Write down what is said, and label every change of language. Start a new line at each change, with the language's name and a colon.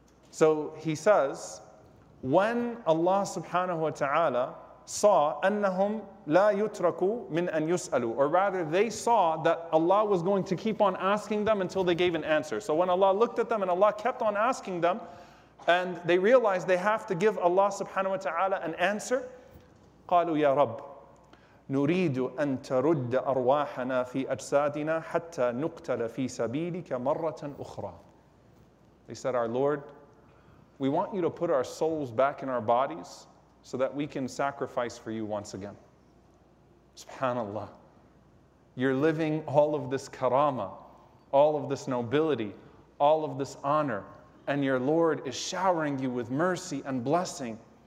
English: So he says, when Allah subhanahu wa ta'ala saw
Arabic: أنهم لا يتركوا من أن يسألوا,
English: or rather they saw that Allah was going to keep on asking them until they gave an answer. So when Allah looked at them and Allah kept on asking them, and they realized they have to give Allah subhanahu wa ta'ala an answer.
Arabic: قالوا يا رب نريد أن ترد أرواحنا في أجسادنا حتى نقتل في سبيلك مرة أخرى.
English: They said, Our Lord, we want you to put our souls back in our bodies so that we can sacrifice for you once again. Subhanallah. You're living all of this karama, all of this nobility, all of this honor, and your Lord is showering you with mercy and blessing.